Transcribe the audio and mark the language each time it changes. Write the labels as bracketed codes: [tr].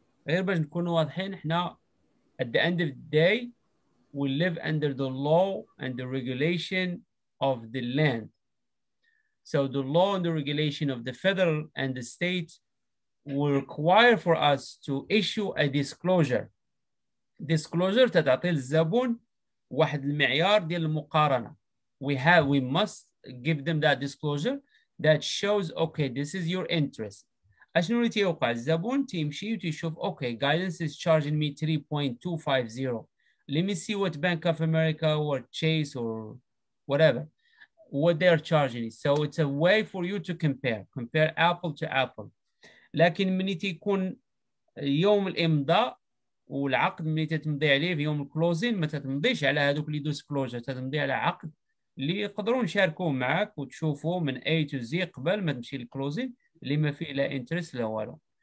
[ar] غير باش نكونوا واضحين، حنا [en] at the end of the day we live under the law and the regulation of the land. So the law and the regulation of the federal and the state will require for us to issue a disclosure. [ar] Disclosure تتعطي للزبون واحد المعيار ديال المقارنة. [en] We must give them that disclosure that shows, okay, this is your interest. [ar] أشنو اللي تيوقع؟ الزبون تيمشي وتيشوف [en] okay, guidance is charging me 3.250. Let me see what Bank of America or Chase or whatever, what they are charging. So it's a way for you to compare apple to apple. [ar] لكن مني تيكون يوم الإمضاء والعقد مني تتمضي عليه في يوم الكلوزين ما تتمضيش على هذوك اللي ديسكلوجر، تتمضي على عقد اللي يقدروا يشاركوه معك وتشوفوه من A to Z قبل ما تمشي للكلوزين اللي ما فيه لا انترست لا والو.